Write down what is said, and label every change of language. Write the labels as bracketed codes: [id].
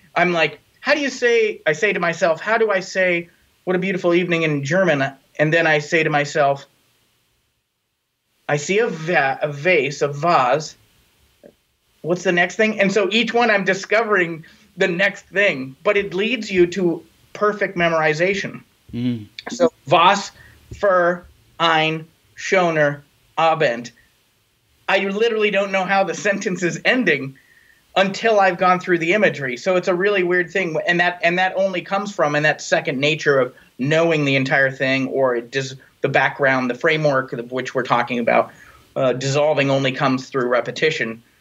[en] I'm like, how do you say? I say to myself, how do I say, what a beautiful evening in German? And then I say to myself, I see a vase. What's the next thing? And so each one, I'm discovering the next thing, but it leads you to perfect memorization. [de] So was für ein schöner Abend. [en] I literally don't know how the sentence is ending until I've gone through the imagery. So it's a really weird thing. And that only comes from in that second nature of knowing the entire thing, or does the background, the framework of which we're talking about, dissolving only comes through repetition.